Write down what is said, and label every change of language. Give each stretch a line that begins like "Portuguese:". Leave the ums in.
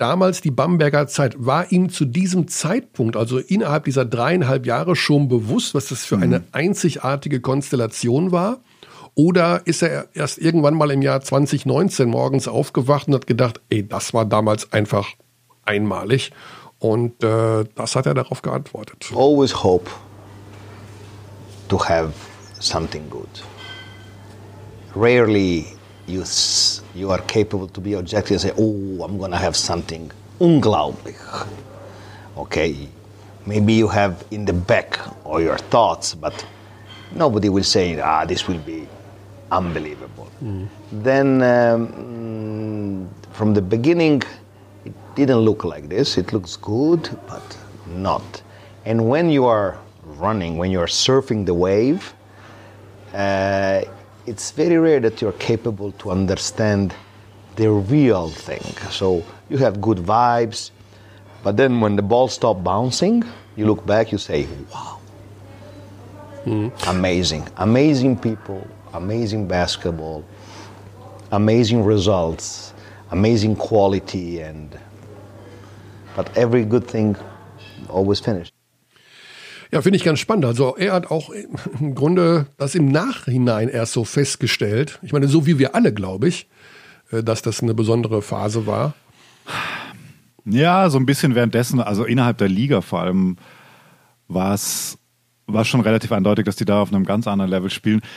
German: Damals die Bamberger Zeit. War ihm zu diesem Zeitpunkt, also innerhalb dieser dreieinhalb Jahre, schon bewusst, was das für eine einzigartige Konstellation war? Oder ist er erst irgendwann mal im Jahr 2019 morgens aufgewacht und hat gedacht, ey, das war damals einfach einmalig? Und äh, das hat er darauf geantwortet.
English: Always hope to have something good. Rarely you, s- you are capable to be objective and say, oh, I'm going to have something
German: unglaublich.
English: Okay, maybe you have in the back or your thoughts, but nobody will say, ah, this will be unbelievable. Then um, mm, from the beginning, it didn't look like this. It looks good, but not. And when you are running, when you are surfing the wave, uh, it's very rare that you're capable to understand the real thing. So you have good vibes, but then when the ball stops bouncing, you look back, you say, wow, Amazing. Amazing people, amazing basketball, amazing results, amazing quality and but every good thing always finished.
German: Ja, finde ich ganz spannend. Also er hat auch im Grunde das im Nachhinein erst so festgestellt. Ich meine, so wie wir alle, glaube ich, äh, dass das eine besondere Phase war. Ja, so ein bisschen währenddessen, also innerhalb der Liga vor allem, war es war schon relativ eindeutig, dass die da auf einem ganz anderen Level spielen.